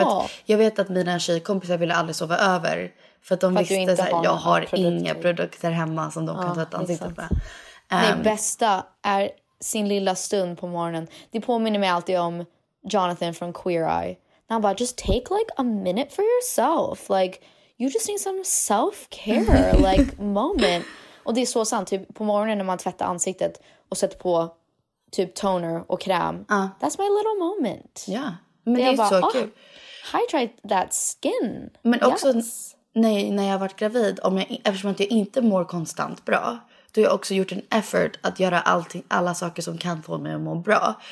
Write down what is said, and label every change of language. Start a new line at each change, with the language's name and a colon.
Swedish: För att jag vet att mina tjejkompisar ville aldrig sova över. För att de visste att jag har inga produkter hemma som de kan tvätta ansiktet med. Det bästa är sin lilla stund på morgonen. Det påminner mig alltid om Jonathan från Queer Eye. Han bara,
English: just take like a minute for yourself. Like, you just need some self-care, like, moment.
Swedish: Och det är så sant. Typ, på morgonen när man tvättar ansiktet och sätter på typ toner och kräm.
English: That's my little moment.
Swedish: Ja, yeah. Men det är bara, så kul.
English: Hydrate that skin.
Swedish: Men också när jag har varit gravid, eftersom att jag inte mår konstant bra, då har jag också gjort en effort att göra alla saker som kan få mig att må bra.